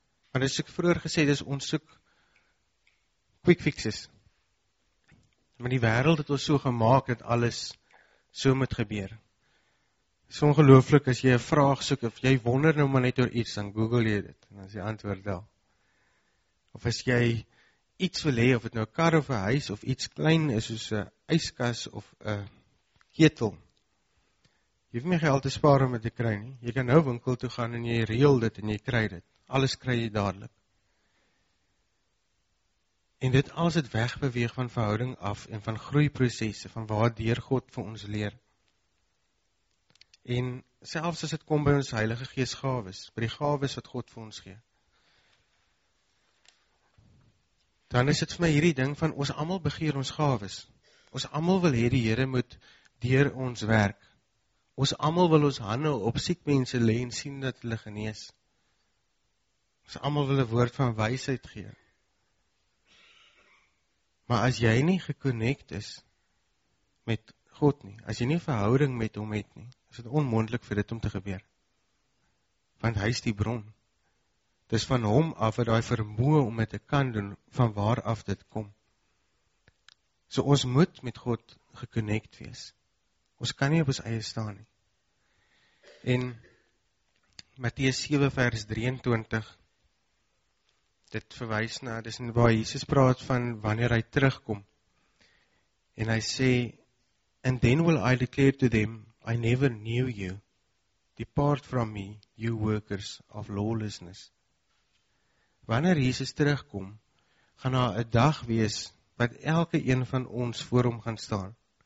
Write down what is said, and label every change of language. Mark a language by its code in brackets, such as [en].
[af] Maar as ek vroeger gesê, dis ons soek quick fixes. Maar die wêreld het ons so gemaak, dat alles so moet gebeur. So ongelooflik, as jy 'n vraag soek, of jy wonder nou maar net oor iets, dan Google jy dit, en dan is die antwoord daar. Of as jy iets wil hê, of het nou een kar of een huis, of iets klein is, soos een yskas of een ketel, jy hoef nie geld te spaar om dit te kry nie. Jy kan nou winkel toe gaan, en jy reël dit, en jy kry dit. Alles kry jy dadelik. En dit alles het wegbeweeg van verhouding af en van groeiprosesse, van waardeur God vir ons leer. En selfs as het kom by ons Heilige Gees gawes, by die gawes wat God vir ons gee. dan is het vir my hierdie ding van, ons allemaal begeer ons gawes. Ons allemaal wil hê die Here moet deur ons werk. Ons allemaal wil ons hande op siek mense lê en sien dat hulle genees. Ons allemaal wil 'n woord van wysheid gee. Maar as jy nie geconnect is met God nie, as jy nie verhouding met hom het nie, is dit onmoontlik vir dit om te gebeur. Want hy is die bron. Dit is van hom af wat hy vermoe om dit te kan doen, van waar af dit kom. So ons moet met God geconnect wees. Ons kan nie op ons eie staan nie. En Matteus 7 vers 23, dit verwys na, dis waar Jesus praat van wanneer hy terugkom. En hy sê, [en] and then will I declare to them, I never knew you. Depart from me, you workers of lawlessness. [af] Wanneer Jesus terugkom, gaan daar 'n dag wees, wat elke een van ons voor hom gaan staan.